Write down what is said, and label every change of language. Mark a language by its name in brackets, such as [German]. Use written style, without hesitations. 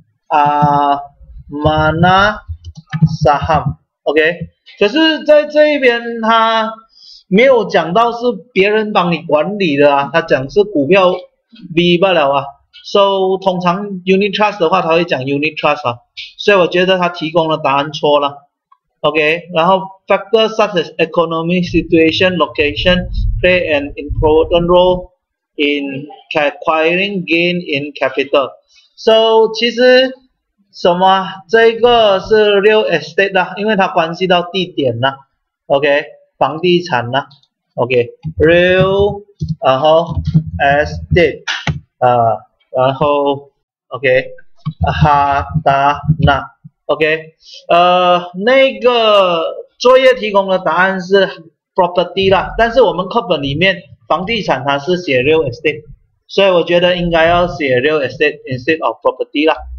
[Malay] mana saham， [Chinese] OK，可是在这一边他没有讲到是别人帮你管理的啊，他讲是股票 B 罢了啊。 So 通常 unit trust 的话，他会讲 unit trust 啊，所以我觉得他提供的答案错了。 [English] OK，然后 factors such as economic situation, location play an important role in acquiring gain in capital. [Chinese] So 其实什么？这个是 real estate 啦，因为它关系到地点啦，OK，房地产啦，OK，real，然后 estate，然后 OK，hartanah，OK，那个作业提供的答案是 property 啦，但是我们课本里面房地产它是写 real estate，所以我觉得应该要写 real estate [English] instead of property [Chinese] 啦。